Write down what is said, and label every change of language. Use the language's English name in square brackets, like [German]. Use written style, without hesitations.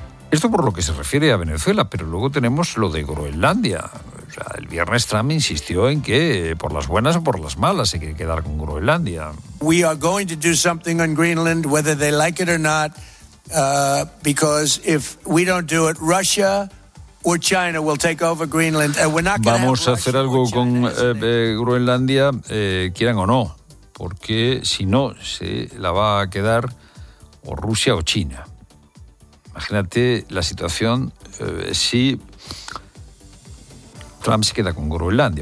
[Spanish] Esto por lo que se refiere a Venezuela, pero luego tenemos lo de Groenlandia. O sea, el viernes Trump insistió en que por las buenas o por las malas hay que quedar con Groenlandia. [English] We are going to do something on Greenland, whether they like it or not, because if we don't do it, Russia or China will take over Greenland, and we're not. [Spanish] Vamos a hacer algo con Groenlandia, quieran o no, porque si no se la va a quedar o Rusia o China. Imagínate la situación si Trump se queda con Groenlandia.